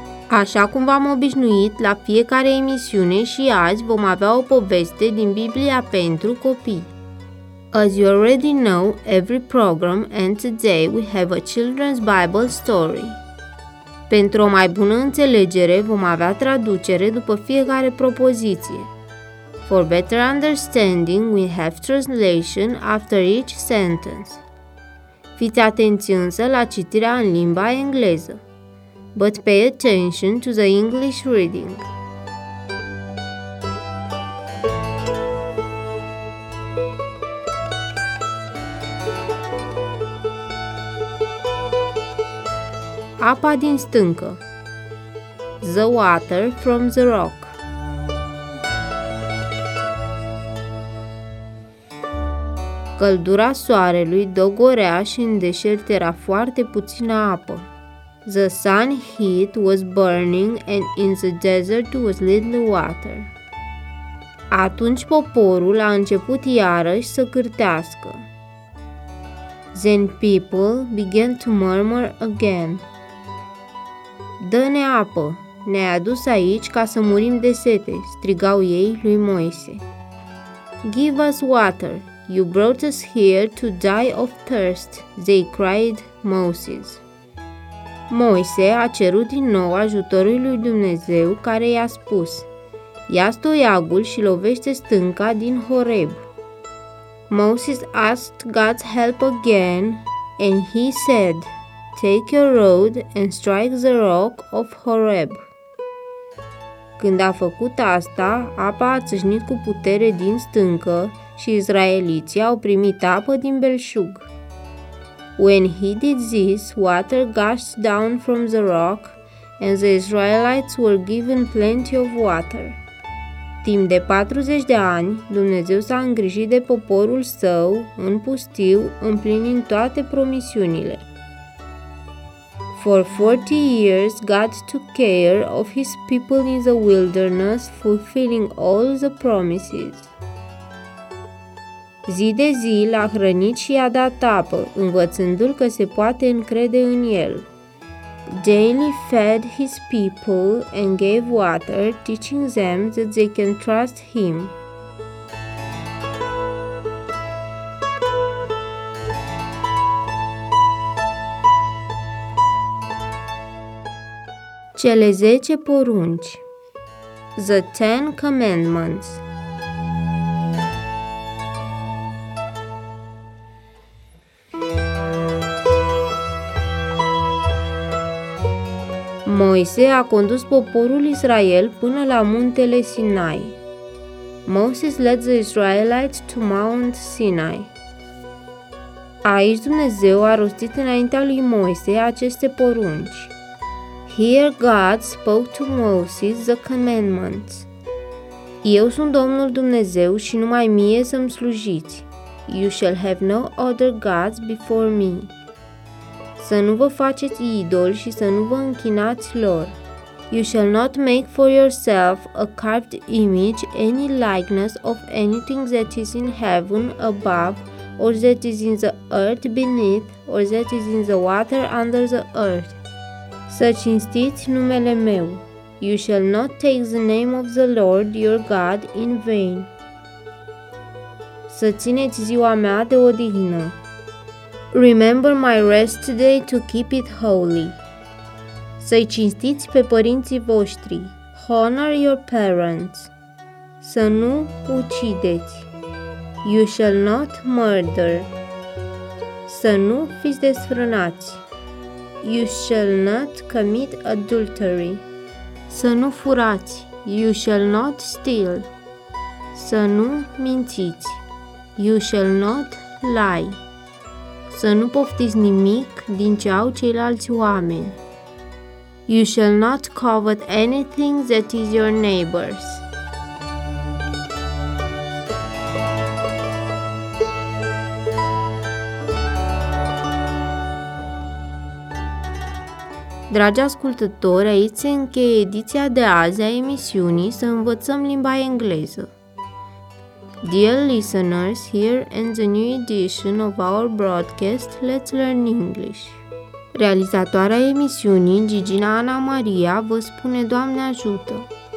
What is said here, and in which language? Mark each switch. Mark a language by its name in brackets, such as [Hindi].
[Romanian] Așa cum v-am obișnuit, la fiecare emisiune și azi vom avea o poveste din Biblia pentru copii. [English] As you already know, every program and today we have a children's Bible story. [Romanian] Pentru o mai bună înțelegere, vom avea traducere după fiecare propoziție. [English] For better understanding, we have translation after each sentence. [Romanian] Fiți atenți însă la citirea în limba engleză. [English] But pay attention to the English reading. [Romanian] Apa din stâncă. [English] The water from the rock. [Romanian] Căldura soarelui dogorea și în deșert era foarte puțină apă. [English] The sun heat was burning and in the desert was little water. [Romanian] Atunci poporul a început iarăși să cârtească. [English] Then people began to murmur again. [Romanian] Dă-ne apă, ne-ai adus aici ca să murim de sete, strigau ei lui Moise. [English] Give us water, you brought us here to die of thirst, they cried Moses. [Romanian] Moise a cerut din nou ajutorul lui Dumnezeu care i-a spus, ia stoiagul și lovește stânca din Horeb. [English] Moses asked God's help again and he said, take your rod and strike the rock of Horeb. [Romanian] Când a făcut asta, apa a țâșnit cu putere din stâncă și israeliții au primit apă din belșug. [English] When he did this, water gushed down from the rock, and the Israelites were given plenty of water. [Romanian] Timp de 40 de ani, Dumnezeu s-a îngrijit de poporul său, în pustiu, împlinind toate promisiunile. [English] For 40 years, God took care of his people in the wilderness, fulfilling all the promises. [Romanian] Zi de zi l-a hrănit și i-a dat apă, învățându-l că se poate încrede în el. [English] Daily fed his people and gave water, teaching them that they can trust him. [Romanian] Cele 10 porunci. [English] The Ten Commandments. [Romanian] Moise a condus poporul Israel până la muntele Sinai. [English] Moses led the Israelites to Mount Sinai. [Romanian] Aici Dumnezeu a rostit înaintea lui Moise aceste porunci. [English] Here God spoke to Moses the commandments. [Romanian] Eu sunt Domnul Dumnezeu și numai mie să-mi slujiți. [English] You shall have no other gods before me. [Romanian] Să nu vă faceți idoli și să nu vă închinați lor. [English] You shall not make for yourself a carved image, any likeness of anything that is in heaven above, or that is in the earth beneath, or that is in the water under the earth. [Romanian] Să cinstiți numele meu. [English] You shall not take the name of the Lord your God in vain. [Romanian] Să țineți ziua mea de odihnă. [English] Remember my rest day to keep it holy. [Romanian] Să-i cinstiți pe părinții voștri. [English] Honor your parents. [Romanian] Să nu ucideți. [English] You shall not murder. [Romanian] Să nu fiți desfrânați. [English] You shall not commit adultery. [Romanian] Să nu furați. [English] You shall not steal. [Romanian] Să nu mințiți. [English] You shall not lie. [Romanian] Să nu poftiți nimic din ce au ceilalți oameni. [English] You shall not covet anything that is your neighbor's. [Romanian] Dragi ascultători, aici se încheie ediția de azi a emisiunii Să învățăm limba engleză. [English] Dear listeners, here ends the new edition of our broadcast Let's Learn English. [Romanian] Realizatoarea emisiunii, Gigina Ana Maria, vă spune Doamne ajută!